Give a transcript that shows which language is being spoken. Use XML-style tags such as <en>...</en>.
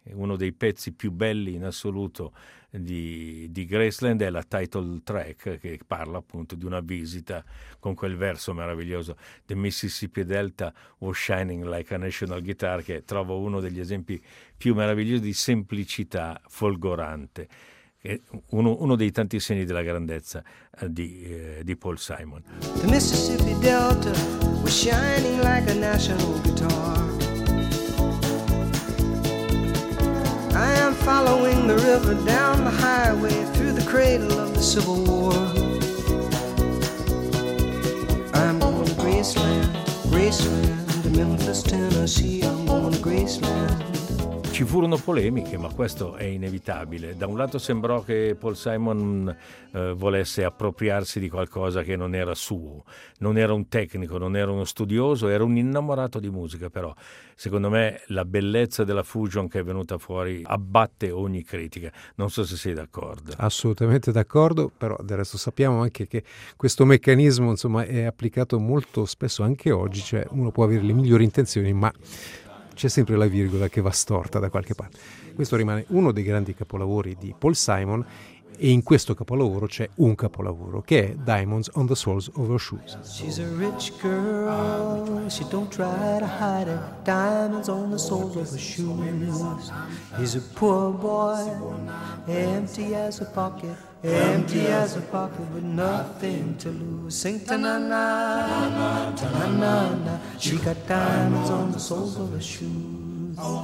<it>Uno dei pezzi più belli in assoluto di Graceland è la title track, che parla appunto di una visita con quel verso meraviglioso:</it> <en>The Mississippi Delta was shining like a national guitar,</en> <it>che trovo uno degli esempi più meravigliosi di semplicità folgorante, uno dei tanti segni della grandezza di Paul Simon.</it> <en>The Mississippi Delta was shining like a national guitar. I am following the river down the highway through the cradle of the Civil War. I'm going to Graceland, Graceland, Memphis, Tennessee. I'm going to Graceland.</en> <it>Ci furono polemiche, ma questo è inevitabile. Da un lato sembrò che Paul Simon volesse appropriarsi di qualcosa che non era suo. Non era un tecnico, non era uno studioso, era un innamorato di musica, però secondo me la bellezza della fusion che è venuta fuori abbatte ogni critica. Non so se sei d'accordo. Assolutamente d'accordo, però del resto sappiamo anche che questo meccanismo, insomma, è applicato molto spesso anche oggi. Cioè, uno può avere le migliori intenzioni, ma c'è sempre la virgola che va storta da qualche parte. Questo rimane uno dei grandi capolavori di Paul Simon, e in questo capolavoro c'è un capolavoro, che è Diamonds on the Soles of Her Shoes.</it> <en>She's a rich girl, she don't try to hide it. Diamonds on the soles of her shoes. He's a poor boy, empty as a pocket. Empty as a pocket with nothing to lose. Sing ta-na-na, ta-na-na-na. She got diamonds on the soles of her shoes.</en>